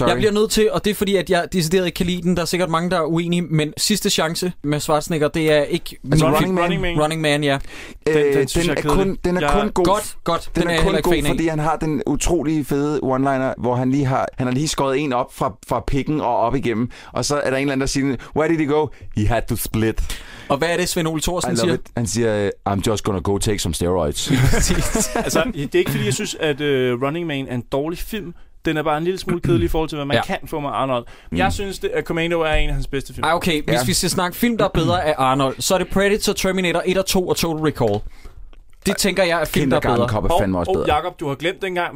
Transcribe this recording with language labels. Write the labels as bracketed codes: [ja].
[da] Jeg bliver nødt til, og det er fordi, at jeg decideret ikke kan lide den. Der er sikkert mange, der er uenige, men sidste chance med Schwarzenegger, det er ikke... Altså, Running Man. Running Man, ja. Den er kun god, fordi han har den utrolig fede one-liner, hvor han lige har... Han har lige skåret en op fra pikken og op igennem. Og så er der en eller anden, der siger, [en] where did he go? He had to split. [da] Og hvad er det, Svend Ole Thorsen siger? It. Han siger, [en] I'm just gonna go take some steroids. [da] Altså, det er ikke fordi, jeg synes, at Running Man er en dårlig film. Den er bare en lille smule kedelig i forhold til, hvad man kan få med Arnold. Jeg synes, at Commando er en af hans bedste film. Okay, hvis vi skal snakke film, der er bedre af Arnold, så er det Predator, Terminator 1 og 2 og Total Recall. Det tænker jeg er fint, der er bedre. Kindergarten Cop er fandme også bedre. Og Jacob, du har glemt dengang.